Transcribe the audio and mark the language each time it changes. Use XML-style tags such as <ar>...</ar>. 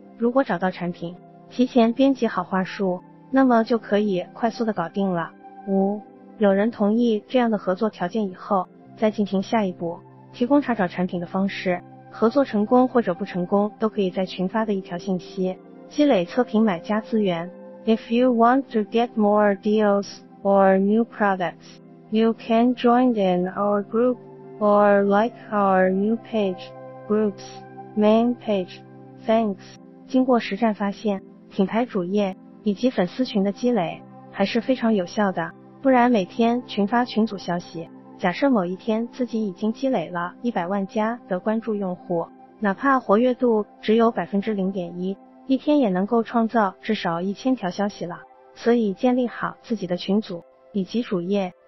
<zh>如果找到产品，提前编辑好话术，那么就可以快速的搞定了。五，有人同意这样的合作条件以后，再进行下一步，提供查找产品的方式，合作成功或者不成功，都可以在群发的一条信息，积累测评买家资源。</zh> <en>If you want to get more deals or new products,You can join in our group or like our new page, groups, main page. Thanks.</en> <zh>经过实战发现，品牌主页以及粉丝群的积累还是非常有效的，不然每天群发群组消息，假设某一天自己已经积累了100万+的关注用户，哪怕活跃度只有 0.1%， 一天也能够创造至少1000条消息了。所以建立好自己的群组以及主页，</zh>